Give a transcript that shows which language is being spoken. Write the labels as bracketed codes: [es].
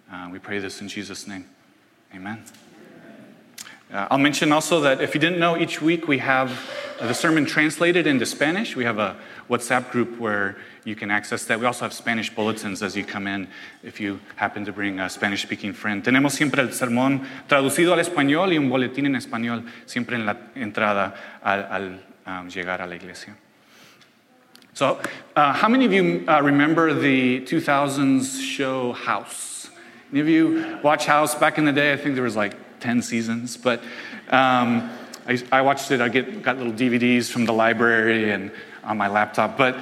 [en] We pray this in Jesus' name. Amen. I'll mention also that if you didn't know, each week we have the sermon translated into Spanish. We have a WhatsApp group where you can access that. We also have Spanish bulletins as you come in if you happen to bring a Spanish-speaking friend. [es] Tenemos siempre el sermón traducido al español y un boletín en español siempre en la entrada al llegar a la iglesia. [en] So, how many of you remember the 2000s show House? Any of you watch House? Back in the day, I think there was like 10 seasons, but I watched it. I got little DVDs from the library and on my laptop.